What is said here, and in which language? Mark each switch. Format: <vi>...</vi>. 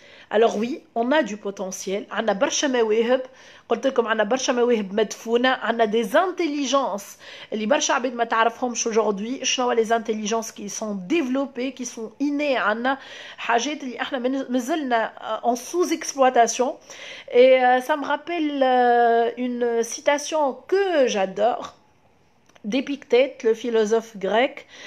<fr>Alors oui, on a du potentiel. On a</fr> <ar>برشا مواهب. قلت لكم</ar> <fr>on a</fr> <ar>برشا مواهب مدفونه.</ar> <fr>On a des intelligences.</fr> <ar>اللي برشا عباد ما تعرفهمش</ar> <fr>aujourd'hui.</fr> <ar>شنو</ar> <fr>les intelligences qui sont développées, qui sont innées. On a</fr> <ar>حاجات اللي احنا مازلنا</ar> <fr>en sous-exploitation. Et ça me rappelle une citation que j'adore d'Épictète, le philosophe grec.</fr>